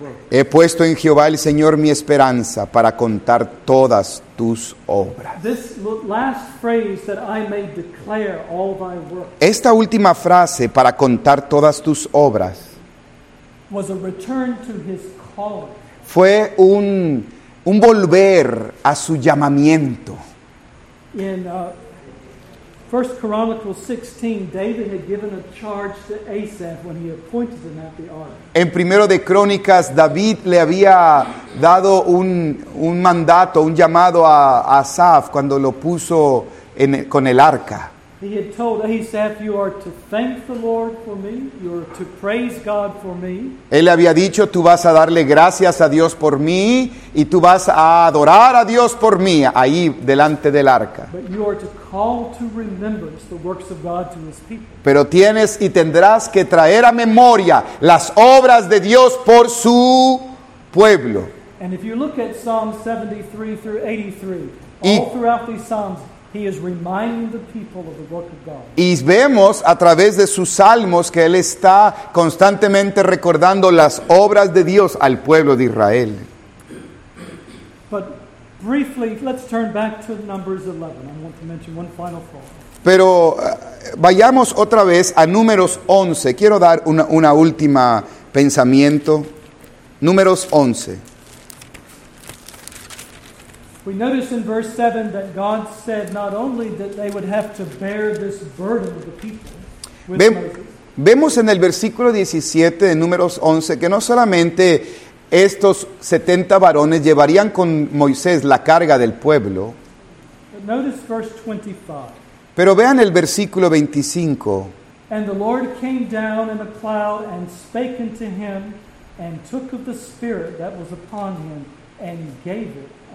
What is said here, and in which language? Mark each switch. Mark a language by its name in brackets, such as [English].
[Spanish] He puesto en Jehová el Señor mi esperanza para contar todas tus obras. [English] This last phrase, that I may declare all thy works. [Spanish] Esta última frase, para contar todas tus obras, [English] was a return to his calling. [Spanish] Fue un volver a su llamamiento. [English] In 1 Chronicles 16, David had given a charge to Asaph when he appointed him at the ark. [Spanish] En primero de Crónicas, David le había dado un mandato, un llamado a Asaph cuando lo puso con el arca. [English] He had told Asaph, you are to thank the Lord for me, you are to praise God for me. [Spanish] Él le había dicho, tú vas a darle gracias a Dios por mí y tú vas a adorar a Dios por mí ahí delante del arca. [English] But you are to call to remembrance the works of God to his people. [Spanish] Pero tienes y tendrás que traer a memoria las obras de Dios por su pueblo. [English] And if you look at Psalm 73 through 83, all throughout these psalms, he is reminding the people of the work of God. [Spanish] Y vemos a través de sus salmos que él está constantemente recordando las obras de Dios al pueblo de Israel. [English] But briefly, let's turn back to Numbers 11. I want to mention one final thought. [Spanish] Pero vayamos otra vez a Números 11. Quiero dar una última pensamiento. Números 11. [English] We notice in verse 7 that God said not only that they would have to bear this burden of the people. [Spanish] Vemos en el versículo 17 de Números 11 que no solamente estos 70 varones llevarían con Moisés la carga del pueblo. [English] But notice verse 25. [Spanish] Pero vean el versículo 25. [English] And the Lord came down in a cloud and spake unto him and took of the spirit that was upon him and gave it.